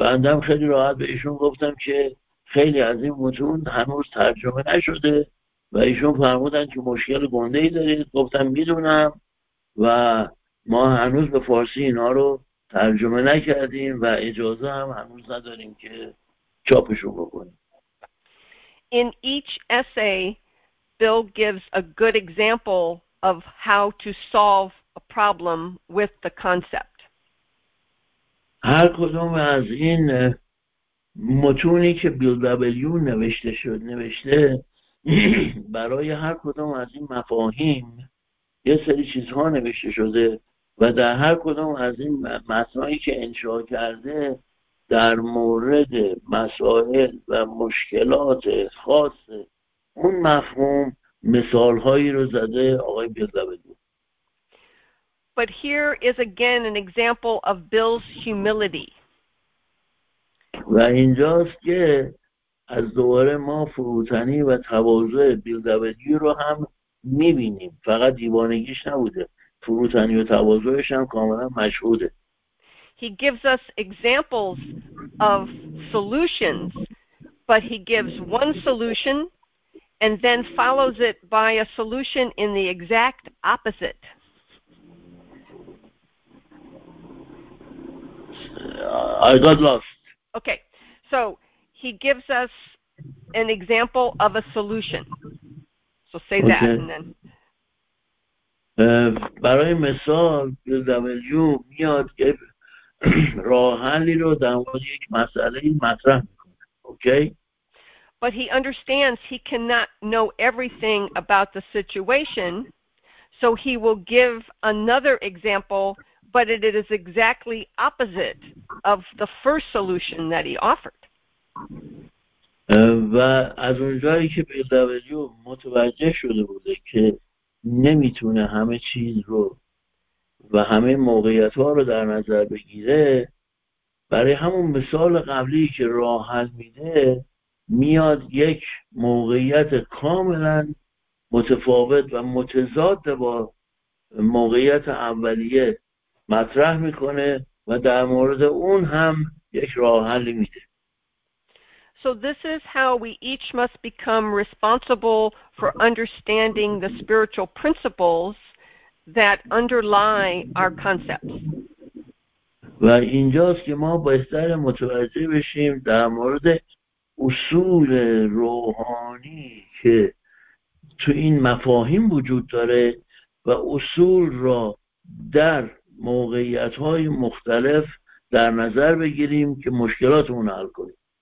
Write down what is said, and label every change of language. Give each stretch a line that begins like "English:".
Persian: بندم خیلی راحت به ایشون گفتم که خیلی از این متون هنوز ترجمه نشده و ایشون فرمودن که مشکل گنده ای دارید. گفتم میدونم و ما هنوز به فارسی اینا رو ترجمه نکردیم و اجازه هم هنوز نداریم که چاپشون بکنیم.
English: In each essay, Bill gives a good example of how to solve a problem with the concept.
Persian: هر کدوم از این متونی که بیل دبلیو نوشته شد نوشته برای هر کدوم از این مفاهیم یه سری چیزها نوشته شده و در هر کدوم از این متنایی که انشاء کرده در مورد مسائل و مشکلات خاص اون مفهوم مثالهایی رو زده آقای بیل دبلیو.
English: But here is again an example of Bill's humility.
Persian: و اینجاست که از دوباره ما فروتنی و تواضع بیل دبلیو رو هم می‌بینیم. فقط دیوانگیش نبوده. فروتنی و تواضعش هم کاملا مشهوده.
English: He gives us examples of solutions, but he gives one solution and then follows it by a solution in the exact opposite. I got lost. Okay, so he gives us an example of a solution. So say that and then.
Persian: برای مثال بیل دبلیو میاد که راه حلی رو در مورد یک مسئله مطرح میکنه. اوکی؟
English: But he understands he cannot know everything about the situation, so he will give another example, but it is exactly opposite of the first solution that he offered.
Persian: و از اونجایی که بیل دبلیو متوجه شده بوده که نمیتونه همه چیز رو و همه موقعیت ها رو در نظر بگیره، برای همون مثال قبلی که راه حل میده میاد یک موقعیت کاملا متفاوت و متضاد با موقعیت اولیه مطرح میکنه و در مورد اون هم یک راه حل میده.
English: So this is how we each must become responsible for understanding the spiritual principles that underlie our concepts.
Persian: و اینجاست که ما بهتر متوجه بشیم در مورد اصول روحانی که تو این مفاهیم وجود داره و اصول را در موقعیت‌های مختلف در نظر بگیریم که مشکلاتمون حل کنیم.